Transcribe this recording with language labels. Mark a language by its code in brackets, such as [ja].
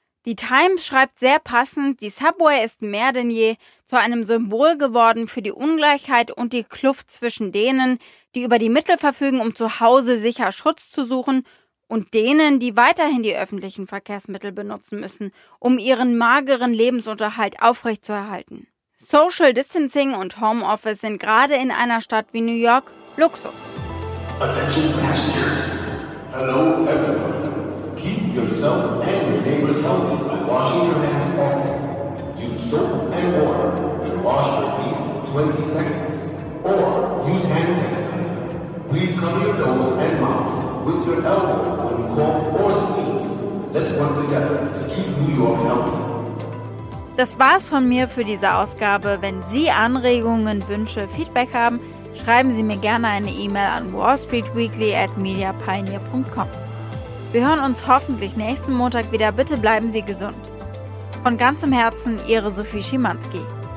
[de] Die Times schreibt sehr passend, die Subway ist mehr denn je zu einem Symbol geworden für die Ungleichheit und die Kluft zwischen denen, die über die Mittel verfügen, um zu Hause sicher Schutz zu suchen, und denen, die weiterhin die öffentlichen Verkehrsmittel benutzen müssen, um ihren mageren Lebensunterhalt aufrechtzuerhalten. Social Distancing und Homeoffice sind gerade in einer Stadt wie New York Luxus. [en] Attention passengers. Hello everyone. Keep yourself and your neighbors healthy by washing your hands often. Use soap and water and wash for at least 20 seconds. Or use hand sanitizer. Please cover your nose and mouth with your elbow when you cough or sneeze. Let's work together to keep New York healthy. [de] Das war's von mir für diese Ausgabe. Wenn Sie Anregungen, Wünsche, Feedback haben, schreiben Sie mir gerne eine E-Mail an wallstreetweekly@mediapioneer.com. Wir hören uns hoffentlich nächsten Montag wieder. Bitte bleiben Sie gesund. Von ganzem Herzen, Ihre Sophie Schimanski.